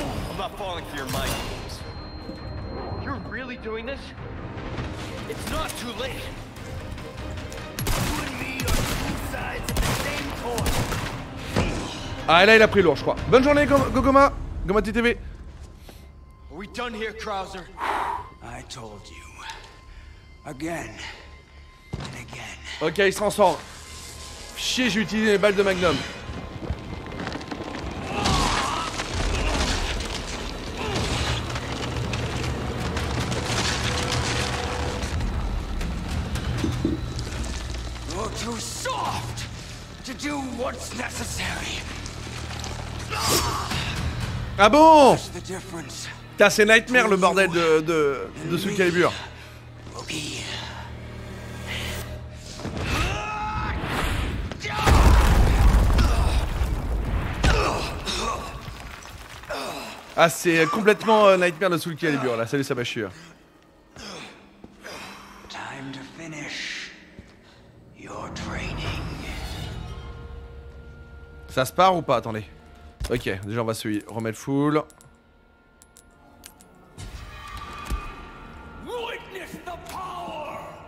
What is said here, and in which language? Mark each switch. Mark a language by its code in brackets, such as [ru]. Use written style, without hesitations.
[en] I'm not falling for your mind games. You're really doing this? It's not too late. You and me are two sides of the same coin. [fr] Ah là il a pris lourd je crois. Bonne journée Gogoma, Goma TTV. [en] We done here, Krauser. I told you. Again and again. [fr] Ok, il se transforme. Chier, j'ai utilisé les balles de Magnum. [en] You're too soft to do what's necessary. [fr] Ah bon? T'as assez nightmare le bordel de Soul Calibur. Ah c'est complètement nightmare de Soul Calibur là, salut sa mâchure. [en] Time to finish your training. [fr] Ça se part ou pas? Attendez. Ok, déjà on va se remettre full. [en] Witness the power.